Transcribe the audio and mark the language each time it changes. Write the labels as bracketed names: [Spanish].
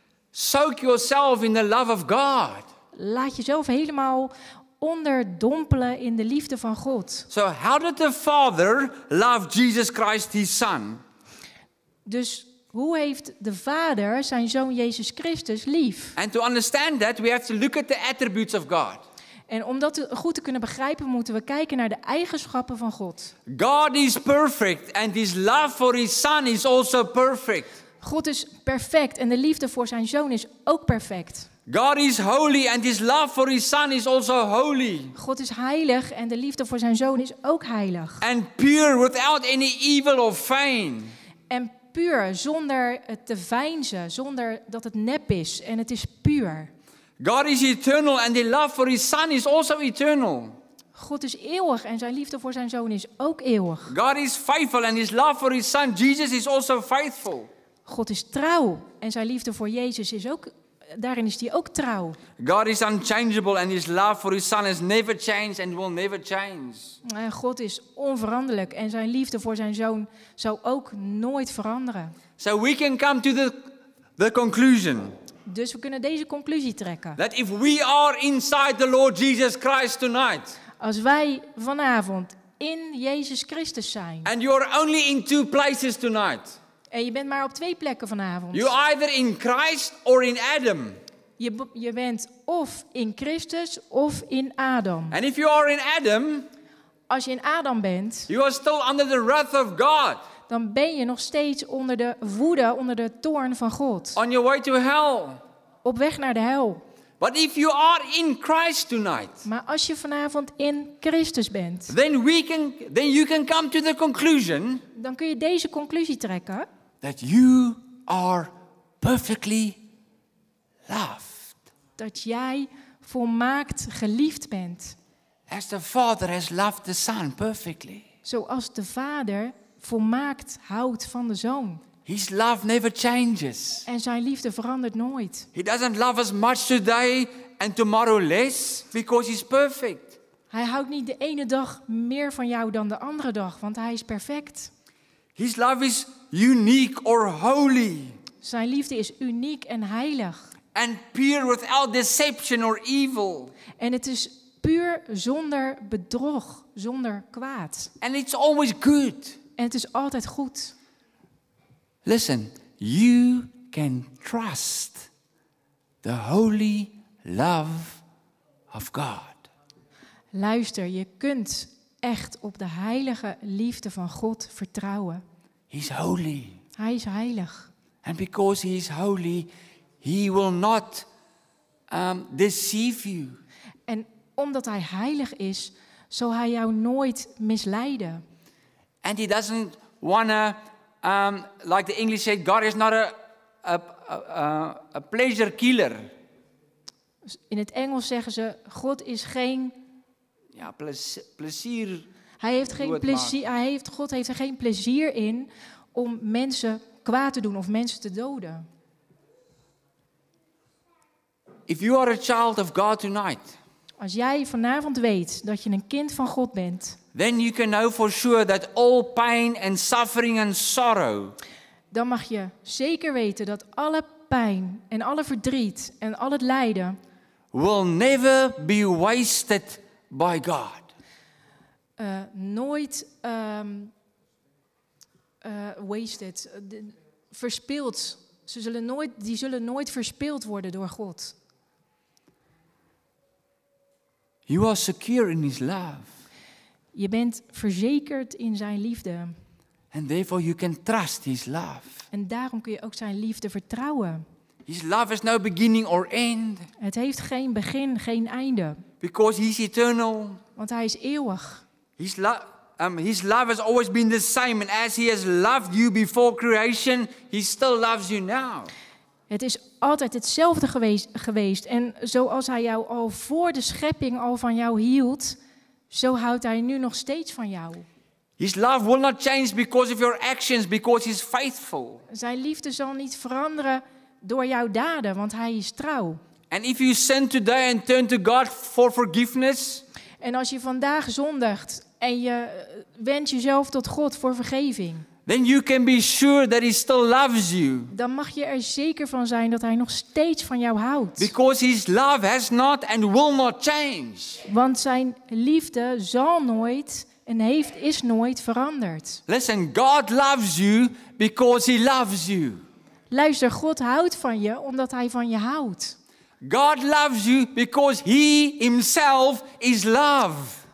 [English] Soak yourself in the love of God. [Dutch] Laat jezelf helemaal onderdompelen in de liefde van God. [English] So how did the Father love Jesus Christ, His Son? [Dutch] Dus Hoe heeft de Vader zijn Zoon Jezus Christus lief? [English] And to understand that, we have to look at the attributes of God. [Dutch] En om dat goed te kunnen begrijpen, moeten we kijken naar de eigenschappen van God. [English] God is perfect and his love for his Son is also perfect. [Dutch] God is perfect en de liefde voor zijn Zoon is ook perfect. [English] God is holy and his love for his Son is also holy. [Dutch] God is heilig en de liefde voor zijn Zoon is ook heilig. [English] And pure without any evil or feign. [Dutch] En puur zonder het te veinzen, zonder dat het nep is en het is puur. [English] God is eternal and his love for his Son is also eternal. [Dutch] God is eeuwig en zijn liefde voor zijn Zoon is ook eeuwig. [English] God is faithful and his love for his Son Jesus is also faithful. [Dutch] God is trouw en zijn liefde voor Jezus is ook, daarin is hij ook trouw. [English] God is unchangeable and his love for his Son has never changed and will never change. [Dutch] God is onveranderlijk en zijn liefde voor zijn Zoon zou ook nooit veranderen. [English] So we can come to the conclusion. [Dutch] Dus we kunnen deze conclusie trekken. [English] That if we are inside the Lord Jesus Christ tonight. [Dutch] Als wij vanavond in Jezus Christus zijn. [English] And you are only in two places tonight. [Dutch] En je bent maar op twee plekken vanavond. [English] You are either in Christ or in Adam. [Dutch] Je bent of in Christus of in Adam. [English] And if you are in Adam. [Dutch] Als je in Adam bent. [English] You are still under the wrath of God. [Dutch] Dan ben je nog steeds onder de woede, onder de toorn van God. [English] On your way to hell. [Dutch] Op weg naar de hel. [English] But if you are in Christ tonight. [Dutch] Maar als je vanavond in Christus bent. [English] Then you can come to the conclusion. [Dutch] Dan kun je deze conclusie trekken. [English] That you are perfectly loved. [Dutch] Dat jij volmaakt geliefd bent. [English] As the Father has loved the Son perfectly. [Dutch] Zoals de Vader volmaakt houdt van de Zoon. [English] His love never changes. [Dutch] En zijn liefde verandert nooit. [English] He doesn't love us much today and tomorrow less because he's perfect. [Dutch] Hij houdt niet de ene dag meer van jou dan de andere dag, want hij is perfect. [English] His love is unique or holy. [Dutch] Zijn liefde is uniek en heilig. [English] And pure without deception or evil. [Dutch] En het is puur zonder bedrog, zonder kwaad. [English] And it's always good. [Dutch] En het is altijd goed. [English] Listen, you can trust the holy love of God. [Dutch] Luister, je kunt echt op de heilige liefde van God vertrouwen. [English] He's holy. [Dutch] Hij is heilig. [English] And because he is holy, he will not deceive you. [Dutch] En omdat hij heilig is, zal hij jou nooit misleiden. [English] And he doesn't wanna, like the English say, God is not a pleasure killer. [Dutch] In het Engels zeggen ze, God is geen. Ja, plezier. Hij heeft geen plezier. God heeft er geen plezier in om mensen kwaad te doen of mensen te doden. [English] If you are a child of God tonight. [Dutch] Als jij vanavond weet dat je een kind van God bent. [English] Then you can know for sure that all pain and suffering and sorrow. [Dutch] Dan mag je zeker weten dat alle pijn en alle verdriet en al het lijden [English] will never be wasted by God. [Dutch] Nooit wasted, verspild. Die zullen nooit verspild worden door God. [English] You are secure in his love. [Dutch] Je bent verzekerd in zijn liefde. [English] And therefore you can trust his love. [Dutch] En daarom kun je ook zijn liefde vertrouwen. [English] His love is no beginning or end. [Dutch] Het heeft geen begin, geen einde. [English] Because he's eternal. [Dutch] Want hij is eeuwig. [English] His love has always been the same. And as he has loved you before creation, he still loves you now. [Dutch] Het is altijd hetzelfde geweest. En zoals hij jou al voor de schepping al van jou hield. Zo houdt hij nu nog steeds van jou. [English] His love will not change because of your actions, because he's faithful. [Dutch] Zijn liefde zal niet veranderen door jouw daden, want hij is trouw. [English] And if you sin today and turn to God for forgiveness. [Dutch] En als je vandaag zondigt en je wendt jezelf tot God voor vergeving. [English] Then you can be sure that he still loves you. [Dutch] Dan mag je er zeker van zijn dat hij nog steeds van jou houdt. [English] Because his love has not and will not change. [Dutch] Want zijn liefde zal nooit en heeft, is nooit veranderd. [English] Listen, God loves you because he loves you. [Dutch] Luister, God houdt van je omdat hij van je houdt. [English] God loves you because he himself is love.